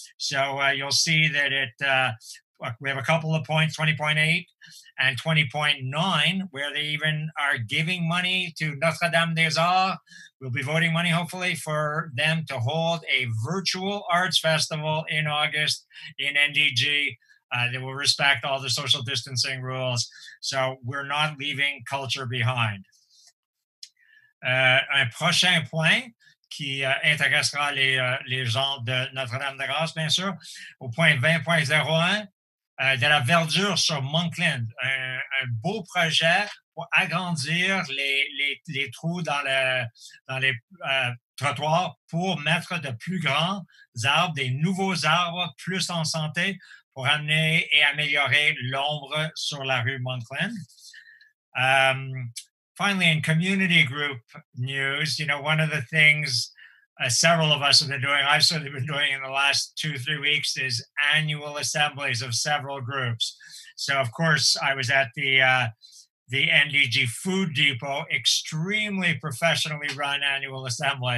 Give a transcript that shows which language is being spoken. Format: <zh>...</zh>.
<en>So you'll see that it we have a couple of points, 20.8 and 20.9, where they even are giving money to Notre-Dame-des-Arts. We'll be voting money, hopefully, for them to hold a virtual arts festival in August in NDG. They will respect all the social distancing rules. So we're not leaving culture behind.</en> <fr>Un prochain point qui intéressera les gens de Notre-Dame-de-Grâce, bien sûr, au point 20.01, de la verdure sur Monkland, un beau projet pour agrandir les trous dans les trottoirs pour mettre de plus grands arbres, des nouveaux arbres plus en santé, pour amener et améliorer l'ombre sur la rue Monkland.</fr> <en>Finally, in community group news, you know, one of the things several of us have been doing, I've certainly been doing in the last 2-3 weeks, is annual assemblies of several groups. So, of course, I was at the NDG Food Depot, extremely professionally run annual assembly.</en>